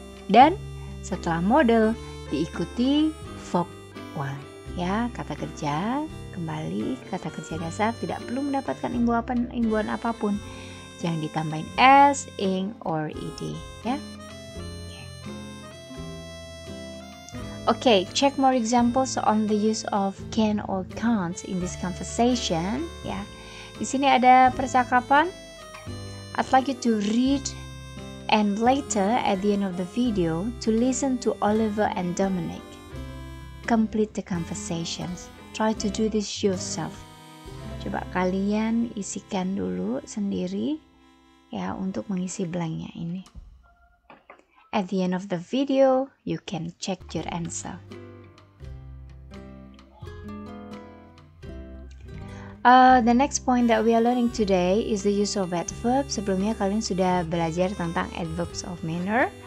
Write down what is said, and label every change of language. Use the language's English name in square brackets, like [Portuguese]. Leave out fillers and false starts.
[Indonesian] Dan setelah model diikuti verb one. Ya, kata kerja kembali kata kerja dasar tidak perlu mendapatkan imbuhan apapun. yang ditambahin s, ing, or ed, ya. [English] Okay, check more examples on the use of can or can't in this conversation, ya. [Indonesian] Di sini ada percakapan. [English] I'd like you to read and later at the end of the video to listen to Oliver and Dominic. Complete the conversations. Try to do this yourself. [Indonesian] Coba kalian isikan dulu sendiri ya untuk mengisi blanknya ini. [English] At the end of the video, you can check your answer. The next point that we are learning today is the use of adverbs. [Indonesian] Sebelumnya kalian sudah belajar tentang adverbs of manner.